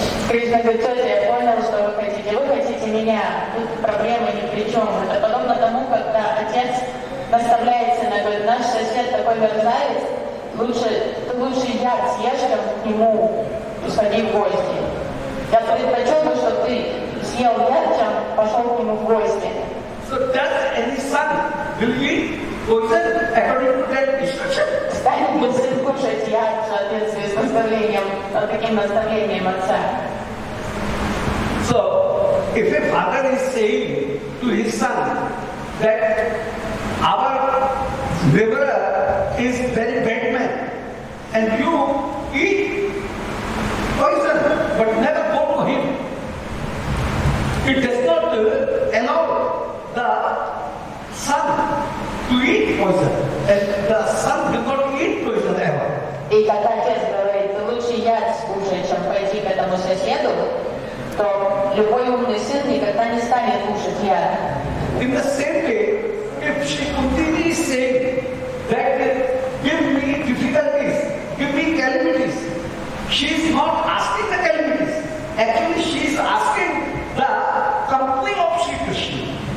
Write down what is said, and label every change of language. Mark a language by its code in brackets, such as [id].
[en] Krishna said, "Sir, I understand what you want. You want me. [ru] Когда отец наставляет сына, говорит, наш сосед такой мерзавец, лучше я съешь, чем к нему сходи в гости. Я предпочел бы, что ты съел яд, чем пошел к нему в гости. [en] So does any son will eat poison according to that instruction? [ru] Станет ли сын кушать яд в соответствии с наставлением, таким наставлением отца? [en] So, if a father is saying to his son, that our liver is very bad man and you eat poison but never go to him. It does not allow the son to eat poison and the son does not eat poison ever. [ru] И когда отец говорит, лучше яд скушать, чем пойти к этому соседу, то любой умный сын никогда не станет кушать яд. [en] In the same way, if she continues saying that give me difficulties, give me calamities, she is not asking the calamities. Actually, she is asking the company of Sri Krishna.